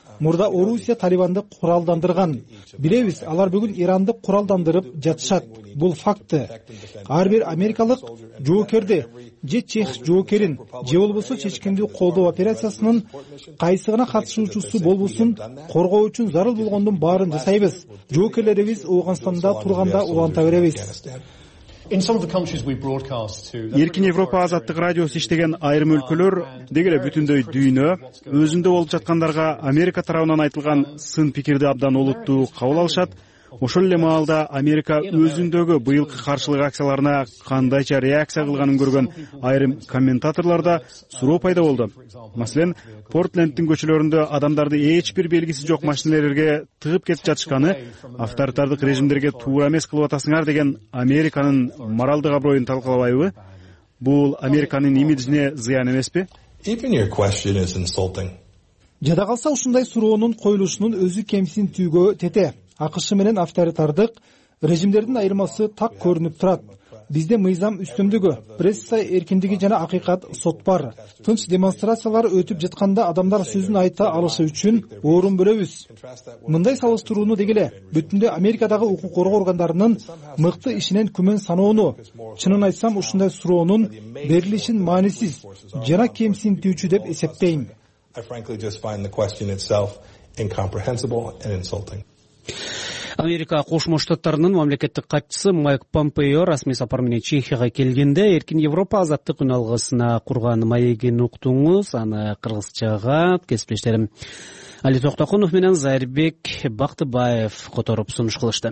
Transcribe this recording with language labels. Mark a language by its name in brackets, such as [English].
[Kyrgyz] Мурда Орусия Талибанды куралдандырган. Билебиз, алар бүгүн Иранды куралдандырып жатышат. Бул факты. Ар бир америкалык жоокерди же чех жоокерин же болбосо чечкиндүү колдоо операциясынын кайсы гана катышуучусу болбосун коргоо үчүн зарыл болгондун баарын жасайбыз. Жоокерлерибиз Ооганстанда турганда уланта беребиз. [English] In some of the countries we broadcast to, [Kyrgyz] Эркин Европа Азаттык радиосу иштеген айрым өлкөлөр, дегеле бүтүндөй дүйнө өзүндө болуп жаткандарга Америка тарабынан айтылган сын пикирди абдан олуттуу кабыл алышат. Ошол эле маалда Америка өзүндөгү быйылкы каршылык акцияларына кандайча реакция кылганын көргөн айрым комментаторлорда суроо пайда болду. Маселен, Портленддин көчөлөрүндө адамдарды эч бир белгиси жок машинелерге тыгып кетип жатышканы, авторитардык режимдерге туура эмес кылып атасыңар деген Американын моралдык аброюн талкалабайбы? Бул Американын имиджине зыян эмеспи? [English] Even your question is insulting. [Kyrgyz] Жада калса, ушундай суроонун коюлушунун өзү кемсинтүүгө тете. АКШ менен авторитардык режимдердин айырмасы так көрүнүп турат. Бизде мыйзам үстөмдүгү, пресса эркиндиги жана акыйкат сот бар. Тынч демонстрациялар өтүп жатканда адамдар сөзүн айта алышы үчүн орун бөлөбүз. Мындай салыштырууну дегеле бүтүндөй Америкадагы укук коргоо органдарынын мыкты ишинен күмөн саноону, чынын айтсам, ушундай суроонун берилишин маанисиз жана кемсинтүүчү деп эсептейм. [English] I frankly just find the question itself incomprehensible and insulting. [Kyrgyz] Америка Кошмо Штаттарынын мамлекеттик катчысы Майк Помпео расмий сапар менен Чехияга келгенде Эркин Европа Азаттык үн алгысына курган маегин уктуңуз. Аны кыргызчага кесиптештерим Али Токтокунов менен Зайырбек Бактыбаев которуп сунуш кылышты.